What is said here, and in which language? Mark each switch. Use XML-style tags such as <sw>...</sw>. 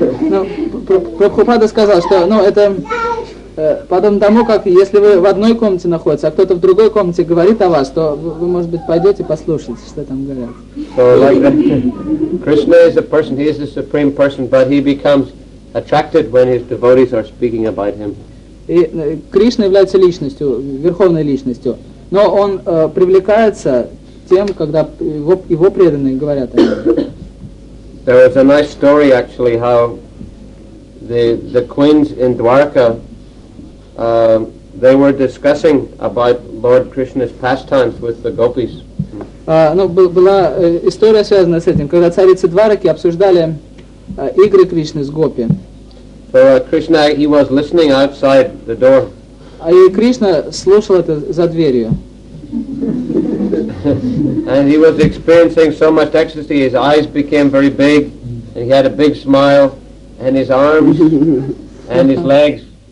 <ru>Prabhupada сказал, что это подобно тому, как если вы в одной комнате находитесь, а кто-то в другой комнате говорит о вас, то вы, может быть, пойдете послушать, что там говорят.</ru> <en>So like that, Krishna is a person, he is the supreme person, but he becomes attracted when his devotees are speaking about him.</en> <ru>И Кришна является личностью, верховной личностью, но он привлекается тем, когда его преданные говорят о нем.</ru> <en>There was a nice story actually how the queens in Dwarka, they were discussing about Lord Krishna's pastimes with the gopis.</en> <ru>Была история связана с этим, когда царицы Двараки обсуждали игры Кришны с гопи.</ru> <en>So Krishna, he was listening outside the door.</en> <ru>А и Кришна слушал это за дверью.</ru> <en>And he was experiencing so much ecstasy, his eyes became very big, and he had a big smile, and his arms and his legs</en>